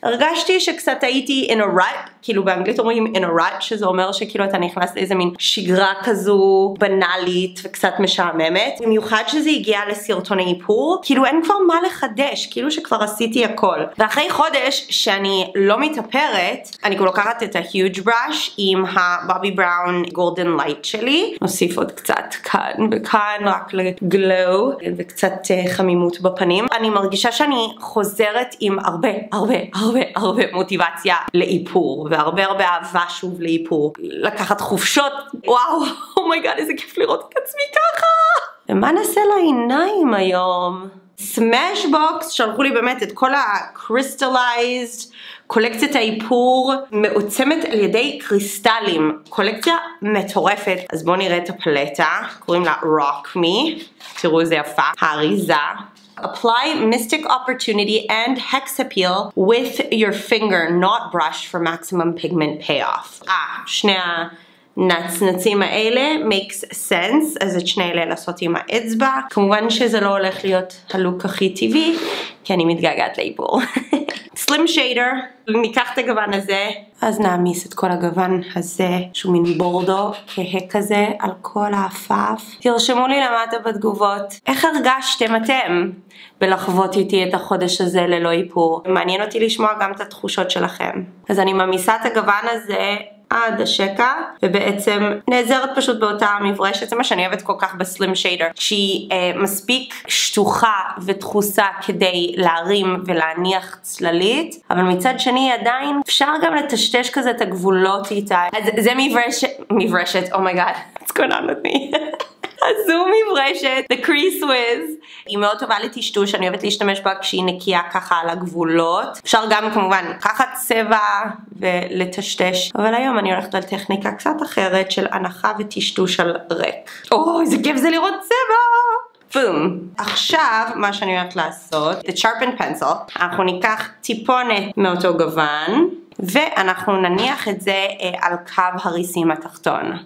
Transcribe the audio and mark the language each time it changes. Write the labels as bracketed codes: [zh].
[he] הרגשתי שקצת הייתי [en] in a rut, [he] כאילו באנגלית אומרים in a rut, שזה אומר שכאילו אתה נכנס לאיזה מין שגרה כזו בנאלית וקצת משעממת. במיוחד שזה הגיע לסרטוני איפור, כאילו אין כבר מה לחדש, כאילו שכבר עשיתי הכל. ואחרי חודש שאני לא מתאפרת, אני כבר לוקחת את את ה-Huge Brush עם ה-Bobby Brown Golden Light שלי. נוסיף עוד קצת כאן וכאן, רק לגלו וקצת חמימות בפנים. אני מרגישה שאני חוזרת עם הרבה, הרבה, הרבה, הרבה מוטיבציה לאיפור, והרבה הרבה אהבה שוב לאיפור. לקחת חופשות, וואו, אומייגאד, איזה כיף לראות את עצמי ככה! ומה נעשה לעיניים היום? סמשבוקס, שלחו לי באמת את כל ה-Crystallized, קולקציית האיפור מעוצמת על ידי קריסטלים. קולקציה מטורפת. אז בואו נראה את הפלטה, קוראים לה Rock Me. תראו איזה יפה, האריזה. [en] Apply Mystic Opportunity and Hex Appeal with your finger, not brush, for maximum pigment payoff. [he] שני הנצנצים האלה, [en] makes sense, [he] אז את שני אלה לעשות עם האצבע. כמובן שזה לא הולך להיות הלוק הכי טבעי, כי אני מתגעגעת לאיפור. Slim Shader, ניקח את הגוון הזה, אז נעמיס את כל הגוון הזה, שהוא מין בורדו כהה כזה על כל האפף. תרשמו לי למטה בתגובות, איך הרגשתם אתם בלחוות איתי את החודש הזה ללא איפור? מעניין אותי לשמוע גם את התחושות שלכם. אז אני מעמיסה את הגוון הזה עד השקע, ובעצם נעזרת פשוט באותה מברשת, זה מה שאני אוהבת כל כך בסלים שיידר, שהיא מספיק שטוחה ותחוסה כדי להרים ולהניח צללית, אבל מצד שני עדיין אפשר גם לטשטש כזה את הגבולות איתה. אז זה מברשת, אומייגאד, [en] what's going on with me? [he] זו מברשת, the crease whiz. היא מאוד טובה לטשטוש, אני אוהבת להשתמש בה כשהיא נקייה ככה על הגבולות. אפשר גם כמובן לקחת צבע ולטשטש. אבל היום אני הולכת על טכניקה קצת אחרת של הנחה וטשטוש על ריק. איזה כיף זה לראות צבע! בום! עכשיו, מה שאני הולכת לעשות, the sharpened pencil, אנחנו ניקח טיפונת מאותו גוון, ואנחנו נניח את זה על קו הריסים התחתון.